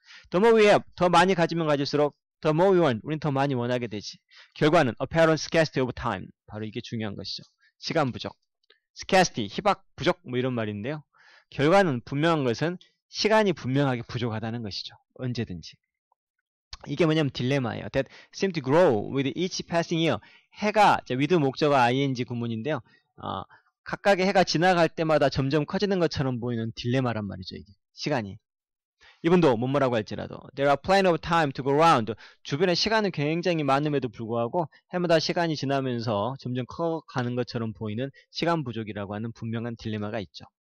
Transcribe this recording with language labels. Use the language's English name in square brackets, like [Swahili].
[English] The more we have, [Korean] 더 많이 가지면 가질수록 [English] The more we want, [Korean] 우린 더 많이 원하게 되지. 결과는 [English] apparent scarcity of time. [Korean] 바로 이게 중요한 것이죠. 시간 부족. scarcity, 희박, 부족, 뭐 이런 말인데요. 결과는 분명한 것은 시간이 분명하게 부족하다는 것이죠. 언제든지. 이게 뭐냐면 딜레마예요. [English] That seem to grow with each passing year. [Korean] 해가, 자, with 목적어 ing 구문인데요. 각각의 해가 지나갈 때마다 점점 커지는 것처럼 보이는 딜레마란 말이죠, 이게. 시간이. 이분도 못 뭐라고 할지라도 [English] There are plenty of time to go around. [Korean] 주변에 시간은 굉장히 많음에도 불구하고 해마다 시간이 지나면서 점점 커가는 것처럼 보이는 시간 부족이라고 하는 분명한 딜레마가 있죠.